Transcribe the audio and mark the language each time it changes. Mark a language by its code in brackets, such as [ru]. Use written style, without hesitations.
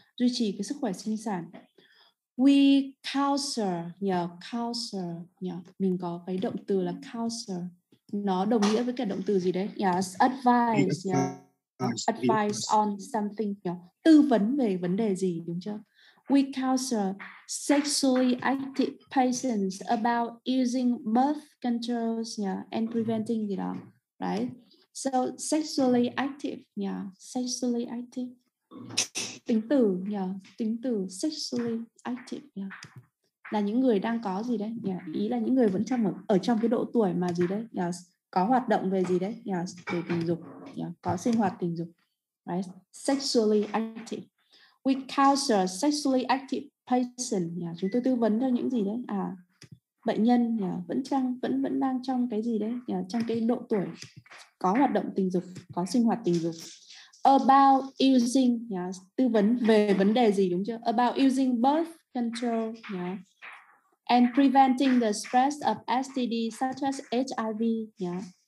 [vi] Duy trì cái sức khỏe sinh sản. [en] We counsel, yeah, counsel, yeah. [vi] Mình có cái động từ là counsel. Nó đồng nghĩa với cái động từ gì đấy? [en] Yes, advise, yeah. Advise on something, yeah. [vi] Tư vấn về vấn đề gì, đúng chưa? [en] We counsel sexually active patients about using birth controls, yeah, and preventing [vi] gì đó, [en] right? So sexually active, yeah, sexually active. [vi] Tính từ, yeah, tính từ sexually active, yeah. Là những người đang có gì đấy, yeah. Ý là những người vẫn trong ở trong cái độ tuổi mà gì đấy, yes. Có hoạt động về gì đấy, yes. Về tình dục, yeah. Có sinh hoạt tình dục, right? [en] Sexually active. We counsel sexually active patient, yeah. [vi] Chúng tôi tư vấn cho những gì đấy, à, bệnh nhân, yeah. vẫn đang trong cái gì đấy, yeah. Trong cái độ tuổi có hoạt động tình dục, có sinh hoạt tình dục. [en] About using, yeah. [vi] Tư vấn về vấn đề gì, đúng chưa? [en] About using birth control, yeah. And preventing the spread of STD such as HIV, yeah.